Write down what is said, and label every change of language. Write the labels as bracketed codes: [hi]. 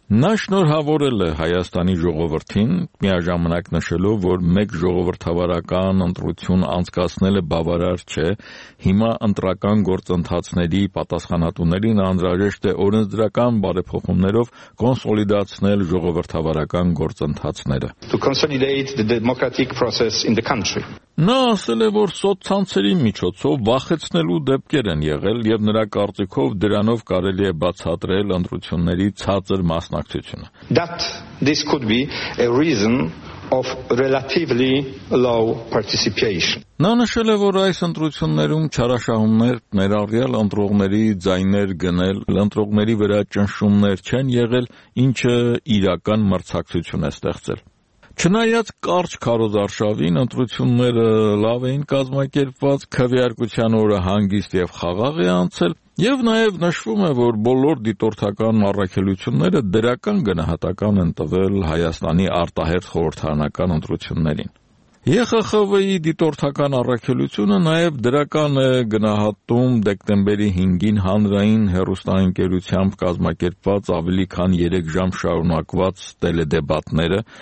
[hy] Նա շնորհավորել է Հայաստանի ժողովրդին, միաժամանակ նշելով, որ մեկ ժողովրդավարական ընտրություն անցկացնելը բավարար չէ, հիմա ընտրական գործընթացների պատասխանատուներին անհրաժեշտ է օրենսդրական բարեփոխումներով կոնսոլիդացնել ժողովրդավարական գործընթացները. [en] To consolidate the democratic process in the country. [hy] Նա ասել է, որ սոցցանցերի միջոցով վախեցնելու դեպքեր են եղել եւ նրա կարծիքով դրանով կարելի է բացատրել ընտրությունների ցածր մասնակցությունը։ [en] That this could be a reason of relatively low participation. [hy] Նա նշել է, որ այս ընտրություններում չարաշահումներ, ներառյալ ընտրողների ձայներ գնել, ընտրողների վրա ճնշումներ չեն եղել, ինչը իրական մրցակցություն է ստեղծել։ Չնայած կարճ քարոզարշավին ընտրությունները լավ էին կազմակերպված, քվեարկության օրը հանգիստ եւ խաղաղ է անցել, եւ նաեւ նշվում է, որ բոլոր դիտորդական առաքելությունները դրական գնահատական են տվել Հայաստանի արտահերթ խորհրդանական ընտրություններին։ ԵԽԽՎ-ի դիտորդական առաքելությունը նաև դրական է գնահատում դեկտեմբերի 5-ին հանրային հեռուստաընկերությամբ կազմակերպված ավելի քան 3 ժամ շարունակված տելեդեբատները,